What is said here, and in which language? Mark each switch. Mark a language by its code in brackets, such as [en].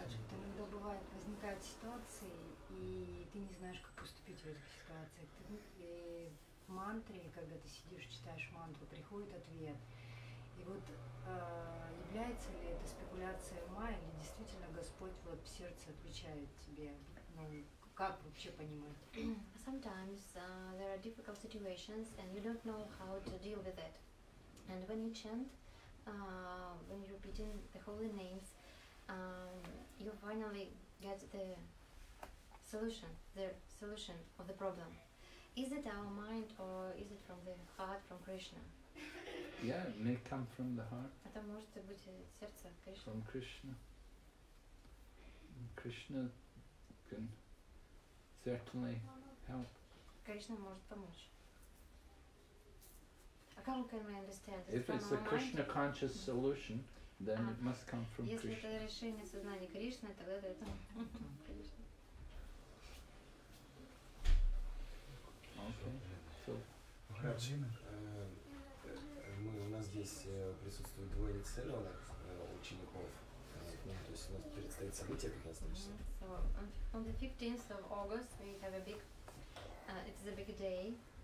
[ru] Иногда бывает, возникают ситуации, и ты не знаешь, как поступить в этих ситуациях. Ты в мантре, когда ты сидишь, читаешь мантру, приходит ответ. И вот является ли это спекуляция ума, или действительно Господь вот в сердце отвечает тебе? Ну, как вообще понимать? [en] Sometimes there are difficult situations, and you don't know how to deal with it. And when you chant, when you're repeating the holy names, you finally get the solution of the problem. Is it our mind or is it from the heart, from Krishna? Yeah, it may come from the heart. [ru] Это может быть сердце Кришны. [en] From Krishna. Krishna can certainly help. [ru] Krishna может помочь. А как мы [en] can we understand? If it's a Krishna conscious solution, then it must come from [ru] если [en] Krishna. [ru] Это решение сознания Кришны, тогда это Кришна. Мы у нас здесь присутствует двое лицензированных учеников. То есть у нас предстоит событие 15 числа. [en] So on the 15th of August we have a big it's a big day.